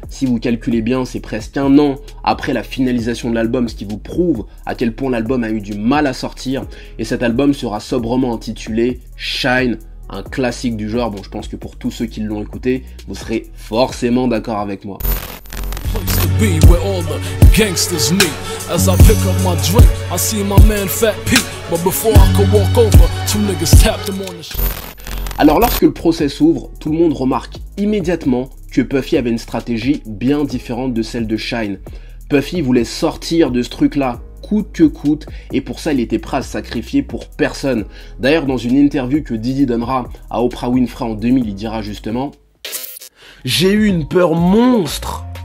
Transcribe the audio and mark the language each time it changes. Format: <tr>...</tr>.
<fr>Si vous calculez bien, c'est presque un an après la finalisation de l'album, ce qui vous prouve à quel point l'album a eu du mal à sortir. Et cet album sera sobrement intitulé Shine, un classique du genre. Bon, je pense que pour tous ceux qui l'ont écouté, vous serez forcément d'accord avec moi.</fr> <en>Place to be where all the gangsters meet. As I pick up my drink, I see my man Fat Pete. But before I could walk over, two niggas tapped him on the shoulder.</en> <fr>Alors lorsque le procès s'ouvre, tout le monde remarque immédiatement que Puffy avait une stratégie bien différente de celle de Shine. Puffy voulait sortir de ce truc-là, coûte que coûte, et pour ça il était prêt à se sacrifier pour personne. D'ailleurs, dans une interview que Diddy donnera à Oprah Winfrey en 2000, il dira justement « J'ai eu une peur monstre.</fr>